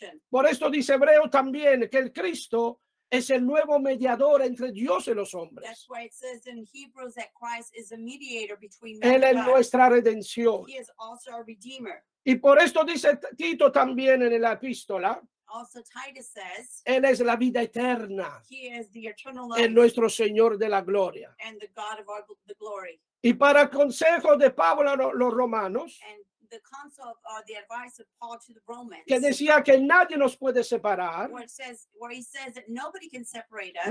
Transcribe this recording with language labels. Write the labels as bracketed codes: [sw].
[es] Por esto dice Hebreo también que el Cristo es el nuevo mediador entre Dios y los hombres. [en] That's why it says in Hebrews that Christ is a mediator between men. [es] Él es nuestra redención. [en] He is also our redeemer. [es] Y por esto dice Tito también en la epístola. [en] Also Titus says, [es] Él es la vida eterna. [en] He is the eternal life. [es] En nuestro Señor de la gloria. [en] And the God of our, the glory. [es] Y para consejo de Pablo a los romanos, [en] the counsel of, or the advice of Paul to the Romans, [es] que decía que nadie nos puede separar, [en] where he says that nobody can separate us,